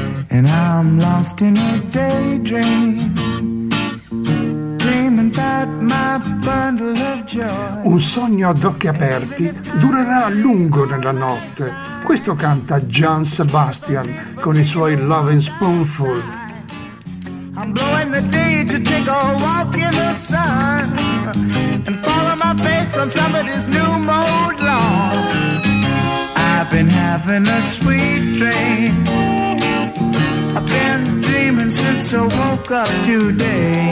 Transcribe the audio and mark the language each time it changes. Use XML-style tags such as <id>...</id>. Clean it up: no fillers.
<en>And I'm lost in a daydream, dreaming about my bundle of joy.</en> <it>Un sogno ad occhi aperti durerà a lungo nella notte. Questo canta Gian Sebastian con i suoi Love and Spoonful.</it> <en>I'm blowing the day to take a walk in the sun and follow my face on somebody's new mowed lawn. I've been having a sweet dream. I've been dreaming since I woke up today.</en>